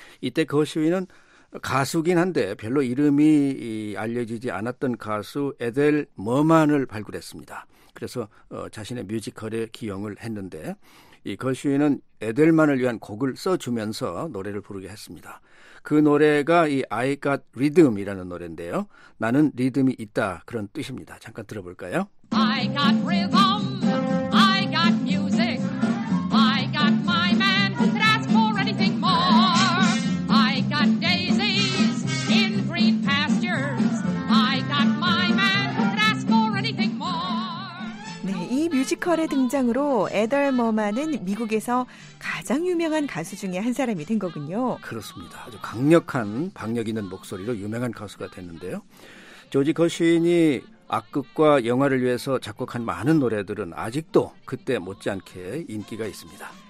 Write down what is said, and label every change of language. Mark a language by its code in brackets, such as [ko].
[ko] 이때 거슈인은 가수긴 한데 별로 이름이 알려지지 않았던 가수 에델 머만을 발굴했습니다. 그래서 자신의 뮤지컬에 기용을 했는데 이 거슈인은 에델만을 위한 곡을 써주면서 노래를 부르게 했습니다. 그 노래가 이 I Got Rhythm이라는 노래인데요. 나는 리듬이 있다, 그런 뜻입니다. 잠깐 들어볼까요? [en] I got rhythm, I got music, I got my man who could ask for anything more. I got daisies in green pastures, I got my man who could ask for anything more. [ko] 네, 이 뮤지컬의 등장으로 에델 머만은 미국에서 가장 유명한 가수 중에 한 사람이 된 거군요. 그렇습니다. 아주 강력한 박력 있는 목소리로 유명한 가수가 됐는데요. 조지 거슈인이 악극과 영화를 위해서 작곡한 많은 노래들은 아직도 그때 못지않게 인기가 있습니다.